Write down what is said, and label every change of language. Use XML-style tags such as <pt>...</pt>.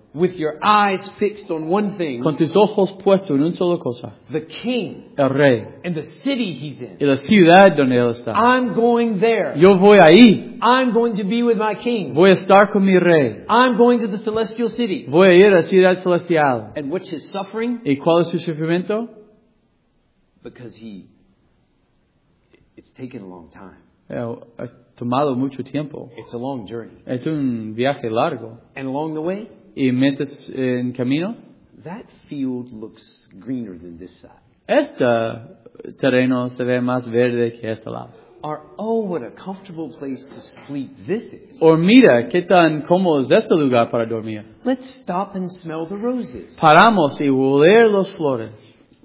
<en>With your eyes fixed on one thing.</en> <es>Con tus ojos puestos en una sola cosa.</es> <en>The king.</en> <es>El rey.</es> <en>And the city he's in.</en> <es>Y la ciudad donde él está.</es> <en>I'm going there.</en> <es>Yo voy ahí.</es> <en>I'm going to be with my king.</en> <es>Voy a estar con mi rey.</es> <en>I'm going to the celestial city.</en> <es>Voy a ir a la ciudad celestial.</es> <en>And what's his suffering?</en> <es>¿Y cuál es su sufrimiento?</es> <en>Because he... It's taken a long time.</en> <es>Ha tomado mucho tiempo.</es> <en>It's a long journey.</en> <es>Es un viaje largo.</es> <en>And along the way?</en> <es>Y mientras en camino,</es> <en>that field looks greener than this side.</en> <es>Este terreno se ve más verde que este lado.</es> <en>Or, oh, what a comfortable place to sleep this is.</en> <es>Or, mira, qué tan cómodo es este lugar para dormir.</es> <en>Let's stop and smell the roses.</en> <es>Paramos y oler los flores.</es>